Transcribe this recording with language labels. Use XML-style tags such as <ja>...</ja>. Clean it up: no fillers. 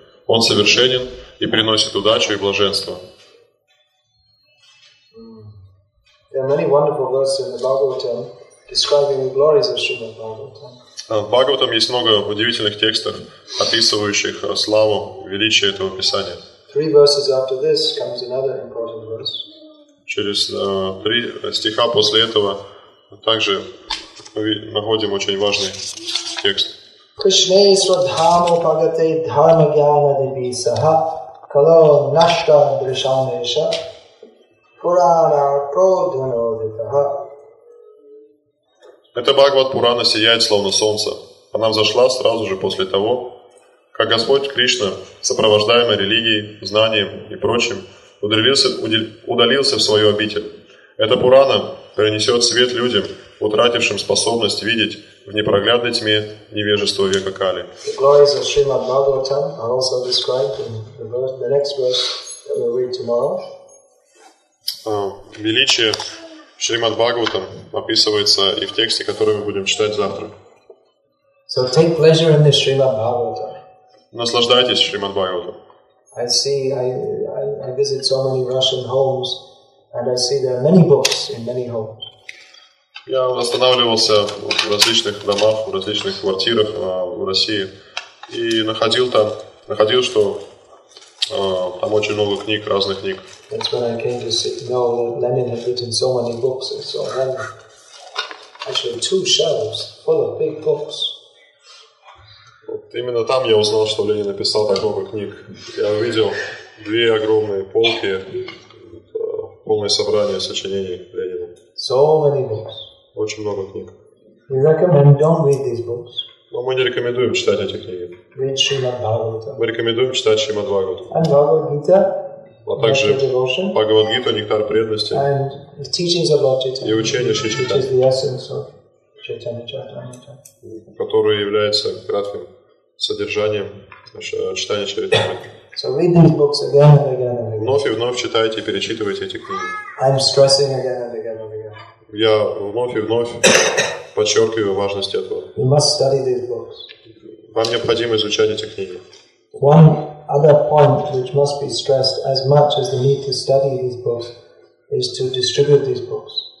<ru>Он совершенен и приносит удачу и блаженство. В Бхагаватам есть много удивительных текстов, описывающих славу, величие этого Писания.</ru> <en>Three verses after this comes another important verse.</en> <ru>Через три стиха после этого также мы находим очень важный текст.</ru> <sa>Кришне свадхамо пагате дхарма гьяна дивисаха кало нашта дришамеша пурана продханодитаха.</sa> <ru>Эта Бхагавад Пурана сияет словно солнце. Она взошла сразу же после того, как Господь Кришна, сопровождаемый религией, знанием и прочим, удалился в свою обитель. Эта Пурана принесет свет людям, утратившим способность видеть в непроглядной тьме невежество века Кали.</ru> <en>The glories of Srimad Bhagavatam are also described in the next verse that we'll read tomorrow.</en> <ru>Величие Шримад Бхагаватам описывается и в тексте, который мы будем читать завтра.</ru> <en>So take pleasure in this Srimad Bhagavatam.</en> <ru>Наслаждайтесь Шримад Бхагаватам.</ru> <en>I see, I visit so many Russian homes, and I see there are many books in many homes.</en> <ru>Я останавливался в различных домах, в различных квартирах в России и находил, что там очень много книг, разных книг.</ru> <en>That's when I came to know that Lenin had written so many books, and so I had actually two shelves full of big books.</en> <ru>Вот именно там я узнал, что Ленин написал так много книг. Я увидел две огромные полки, полное собрание сочинений Ленина.</ru> <en>So many books.</en> <ru>Очень много книг.</ru> <en>We recommend don't read these books.</en> <ru>Но мы не рекомендуем читать эти книги.</ru> <en>Read Srimad Bhagavatam.</en> <ru>Мы рекомендуем читать Шримад Бхагаватам.</ru> <en>And Bhagavad Gita.</en> <ru>А также Бхагавад Гита, Нектар Преданности.</ru> <en>And the teachings about Chaitanya.</en> <ru>И учение Шри Чайтаньи.</ru> <en>Which is the essence of Chaitanya Charitamrita.</en> <ru>Которое является кратким содержанием читания Чаритамриты.</ru> <en>So read these books again and again and again.</en> <ru>Вновь и вновь читайте и перечитывайте эти книги.</ru> <en>I'm stressing again and again and again.</en> <ru>Я вновь и вновь подчеркиваю важность этого.</ru> <en>You must study these books.</en> <ru>Вам необходимо изучать эти книги.</ru> <en>One other point which must be stressed as much as the need to study these books is to distribute these books.</en>